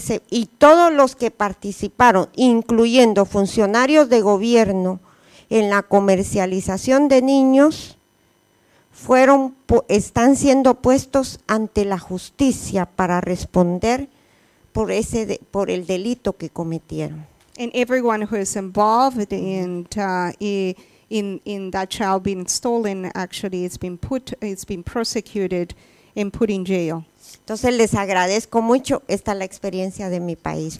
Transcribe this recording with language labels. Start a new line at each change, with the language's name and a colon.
Spanish: Y todos los que participaron, incluyendo funcionarios de gobierno, en la comercialización de niños, están siendo puestos ante la justicia para responder por el delito que cometieron.
English: And everyone who is involved in that child being stolen actually it's been prosecuted and put in jail.
Spanish: Entonces les agradezco mucho, esta es la experiencia de mi país.